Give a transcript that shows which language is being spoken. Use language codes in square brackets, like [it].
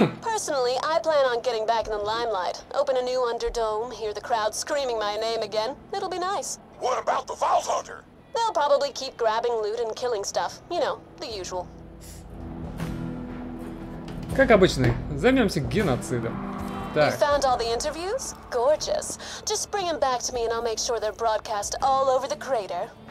[en] Personally, I plan on getting back in the limelight. Open a new underdome, hear the crowd screaming my name again. It'll be nice. What about the Vault Hunter? They'll probably keep grabbing loot and killing stuff. You know, the usual. [ru] Как обычно, займемся геноцидом. Так. [en] You found all the interviews? Gorgeous. Just bring them back to me and I'll make sure they're broadcast all over the crater.